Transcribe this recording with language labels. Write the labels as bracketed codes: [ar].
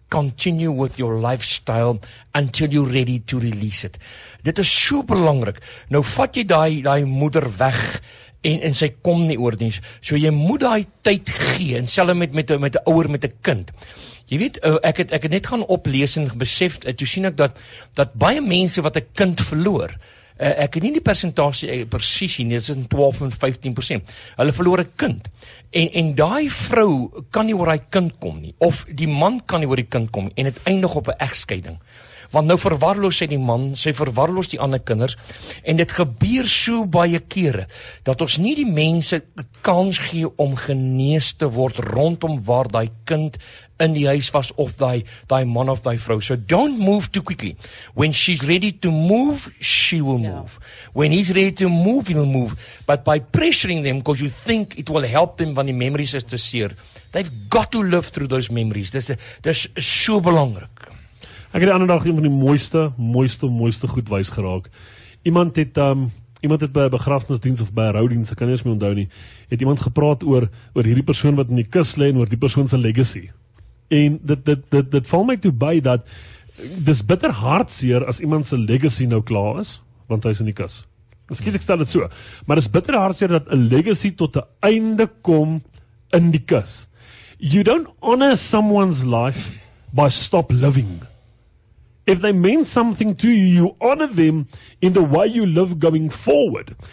[en] continue with your lifestyle until you're ready to release it. [af] Dit is so belangrik. Nou vat jy daai moeder weg en sy kom nie oor nie. So jy moet daai tyd gee, en selfs met 'n ouer met 'n kind. Jy weet, ek het net gaan oplees en besef, toe sien ek dat baie mense wat 'n kind verloor, ek het nie die persentasie presies nie, dit is 12-15%. Hulle verloor 'n kind. En daai vrou kan nie oor haar kind kom nie, of die man kan nie oor die kind kom nie, en het eindig op 'n egskeiding. Want nou verwaarloos sy die man, sy verwaarloos die ander kinders, en dit gebeur so baie kere, dat ons nie die mense kans gee om genees te word rondom waar daai kind in die huis was, of daai man of daai vrou. [en] So don't move too quickly. When she's ready to move, she will move. Yeah. When he's ready to move, he'll move. But by pressuring them, because you think it will help them, when the memories is [af] te seer, [en] they've got to live through those memories. [af] Dis so belangrik. Ek het die ander dag een van die mooiste goed wys geraak. Iemand het by 'n begrafnisdiens of by 'n roudiens, ek kan nie eens meer onthou nie, het iemand gepraat oor hierdie persoon wat in die kus lê en oor die persoon se legacy. En dit val my toe by dat dis bitter hartseer as iemand se legacy nou klaar is, want hy is in die kus. Ekskuus, ek stel dit so. Maar dis bitter hartseer dat 'n legacy tot 'n einde kom in die kus. [en] You don't honor someone's life by stop living. If they mean something to you, you honor them in the way you live going forward.